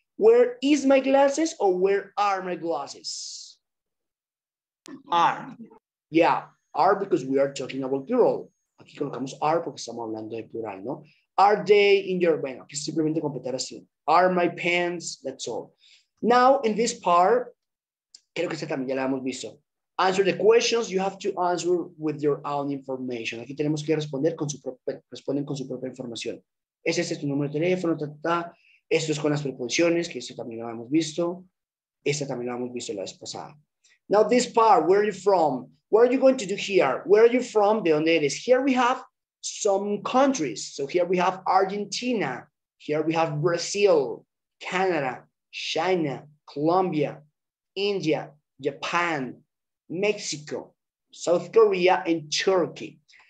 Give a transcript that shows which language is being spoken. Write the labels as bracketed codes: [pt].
[en] Where is my glasses or where are my glasses? Are. Yeah, are because we are talking about plural. [es] Aquí colocamos are porque estamos hablando de plural, ¿no? [en] Are they in your... [es] Bueno, aquí simplemente completar así. [en] Are my pants, that's all. Now, in this part, [es] creo que este también ya lo hemos visto. [en] Answer the questions, you have to answer with your own information. [es] Aquí tenemos que responder con su propia... Responden con su propia información. Ese es tu número de teléfono, ta, ta, ta. Esto es con las preposiciones, que esto también lo hemos visto. Este también lo hemos visto la vez pasada. [en] Now, this part, where are you from? What are you going to do here? Where are you from? [es] ¿De dónde eres? [en] Here we have some countries. So here we have Argentina, here we have Brazil, Canada, China, Colombia, India, Japan, Mexico, South Korea, and Turkey.